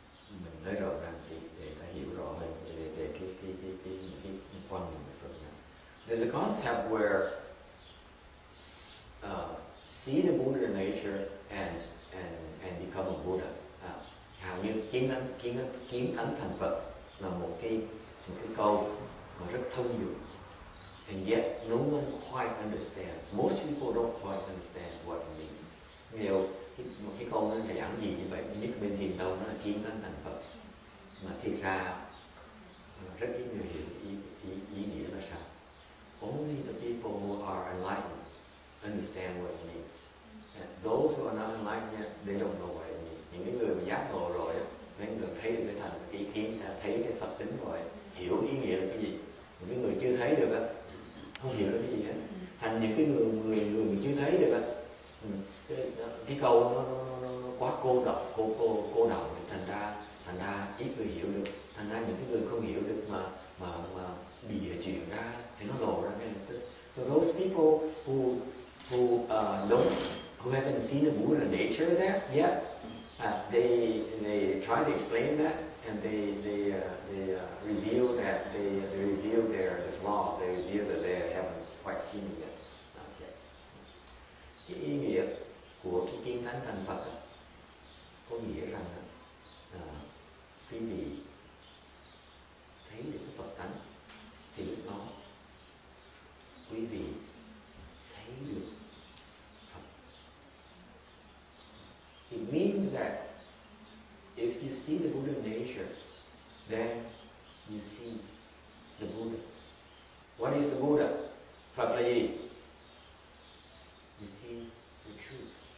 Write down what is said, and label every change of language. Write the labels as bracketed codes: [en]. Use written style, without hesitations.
[vi] Mình nói rộng ràng thì để ta hiểu rõ hơn về cái quan niệm về Phật giáo. [en] There's a concept where see the Buddha in nature and become a Buddha. [vi] Hầu như kiến ấn thành Phật là một cái câu mà rất thông dụng. [en] And yet no one quite understands. Most people don't quite understand what it means. [vi] Nhiều một cái câu nó là giảng gì như vậy, nhất bên thiền đâu nó là kiến tấn thành Phật, mà thiệt ra rất ít người hiểu ý nghĩa là sao. [en] Only the people who are enlightened understand what it means. And those who are not enlightened yet, they don't know what it means. [vi] Những cái người mà giác ngộ rồi á, những người thấy được cái thành cái kiến, thấy cái Phật tính rồi, hiểu ý nghĩa là cái gì. Những cái người chưa thấy được á, không hiểu được cái gì hết. Thành những cái người mà chưa thấy được á, cái câu nó quá cô đọng, thành ra ít người hiểu được, thành ra những cái người không hiểu được mà bị chuyển ra thì nó lộ ra ngay lập tức. [en] So those people who haven't seen the Buddha nature of that yet, they try to explain that and they reveal that they reveal their the flaw, they reveal that they haven't quite seen it yet. Okay. [vi] Cái ý nghĩa của cái kiến tấn thành Phật có nghĩa rằng khi vị thấy được cái Phật tánh thì lúc đó quý vị thấy được Phật. [en] It means that if you see the Buddha nature, then you see the Buddha. What is the Buddha? [vi] Phật là gì? [en] You see the truth.